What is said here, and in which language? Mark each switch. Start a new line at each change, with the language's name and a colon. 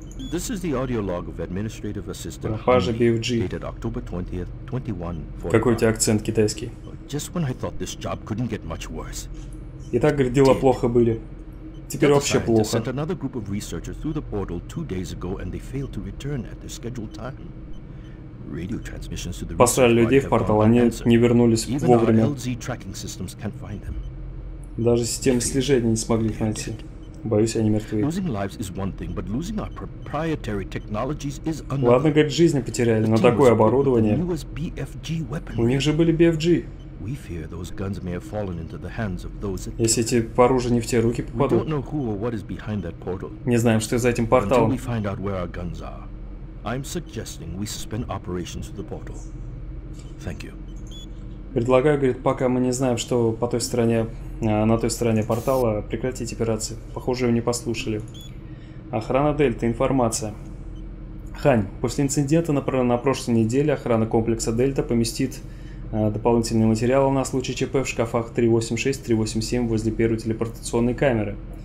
English: This is the audio log of administrative assistant.
Russian: Пропажа BFG.
English: Dated October 20th, 21.
Russian: Какой у тебя акцент китайский?
English: Just when I thought this job couldn't get much worse.
Russian: И так, говорит, дела плохо были. Теперь вообще плохо.
English: Sent another group of researchers through the portal 2 days ago, and they failed to return at their scheduled time. Radio transmissions to the.
Russian: Послали людей в портал, они не вернулись вовремя.
English: Even our LZ tracking systems can't find them.
Russian: Даже системы слежения не смогли их найти. Боюсь, они мертвы.
English: Losing lives is one thing, but losing our proprietary technologies is another.
Russian: Ладно, говорит, жизни потеряли, но такое оборудование. У них же были BFG.
English: We fear those guns may have fallen into the hands of those.
Russian: Если эти оружие не в те руки попадут.
English: We don't know who or what is behind that portal.
Russian: Не знаем, что за этим порталом.
English: Until we find out where our guns are, I'm suggesting we suspend operations to the portal. Thank you.
Russian: Предлагаю, говорит, пока мы не знаем, что по той стороне, на той стороне портала, прекратить операции. Похоже, его не послушали. Охрана Дельта, информация. Хань, после инцидента на прошлой неделе охрана комплекса Дельта поместит дополнительные материалы на случай ЧП в шкафах 386-387 возле первой телепортационной камеры.